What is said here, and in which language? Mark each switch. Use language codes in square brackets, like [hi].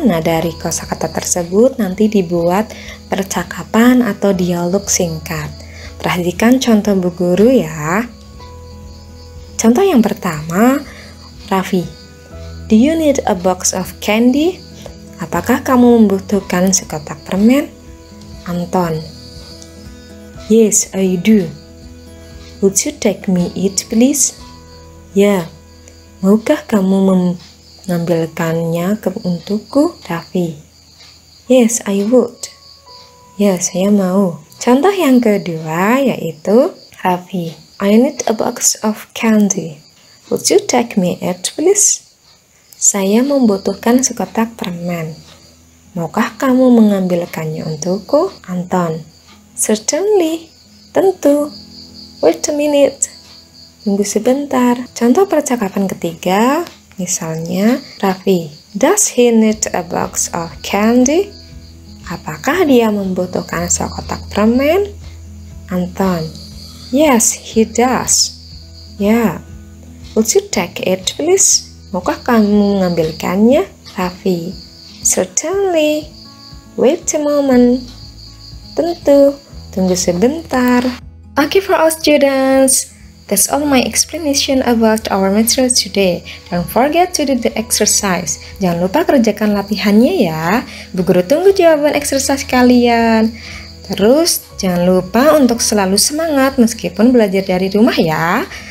[id] Nah, dari kosakata tersebut nanti dibuat percakapan atau dialog singkat. Perhatikan contoh Bu Guru ya. Contoh yang pertama, Raffi, [en] do you need a box of candy? [id] Apakah kamu membutuhkan sekotak permen? [en] Anton, yes I do. Would you take me it please? Yeah, [id] Maukah kamu mengambilkannya untukku, Raffi? [en] Yes, I would. [id] Ya, saya mau. Contoh yang kedua yaitu, [en] Raffi, I need a box of candy. Would you take me it, please? [id] Saya membutuhkan sekotak permen. Maukah kamu mengambilkannya untukku, Anton? [en] Certainly. [id] Tentu. [en] Wait a minute. [id] Tunggu sebentar. Contoh percakapan ketiga, misalnya, [en] Raffi, does he need a box of candy? [id] Apakah dia membutuhkan sekotak permen? [en] Anton, yes, he does. Yeah. Would you take it, please? [id] Maukah kamu mengambilkannya? [en] Raffi, certainly. Wait a moment. [id] Tentu. Tunggu sebentar. [en] Okay for all students. That's all my explanation about our material today. Don't forget to do the exercise. [id] Jangan lupa kerjakan latihannya ya. Bu guru tunggu jawaban exercise kalian. Terus, jangan lupa untuk selalu semangat meskipun belajar dari rumah ya.